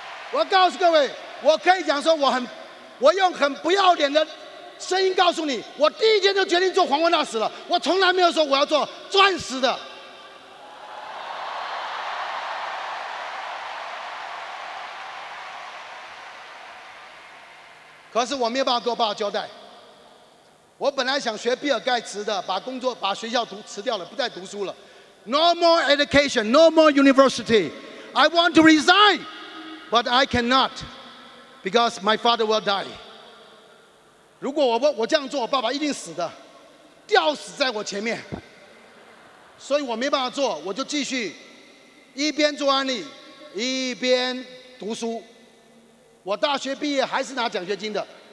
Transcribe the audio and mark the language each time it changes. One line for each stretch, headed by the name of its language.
Chinese: 我告诉各位，我可以讲说我用很不要脸的声音告诉你，我第一天就决定做黄金大使了，我从来没有说我要做钻石的。可是我没有办法跟我爸交代，我本来想学比尔盖茨的，把工作把学校读辞掉了，不再读书了。
English: No more education, no more university, I want to resign, but I cannot, because my father will die.
Chinese: 如果我这样做，我爸爸一定死的，吊死在我前面。所以我没办法做，我就继续一边做安利，一边读书。我大学毕业还是拿奖学金的。